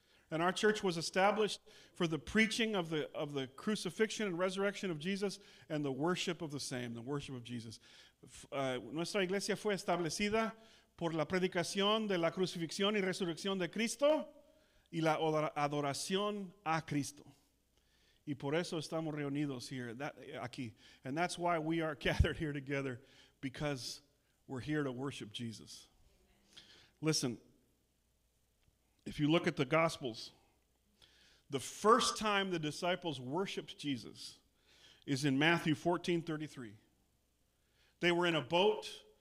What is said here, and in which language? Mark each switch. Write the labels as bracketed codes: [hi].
[en] And our church was established for the preaching of the crucifixion and resurrection of Jesus and the worship of the same, the worship of Jesus. [es] Nuestra iglesia fue establecida por la predicación de la crucifixión y resurrección de Cristo y la adoración a Cristo. Y por eso estamos reunidos aquí. [en] And that's why we are gathered here together, because we're here to worship Jesus. Listen, if you look at the Gospels, the first time the disciples worshiped Jesus is in Matthew 14:33. They were in a boat.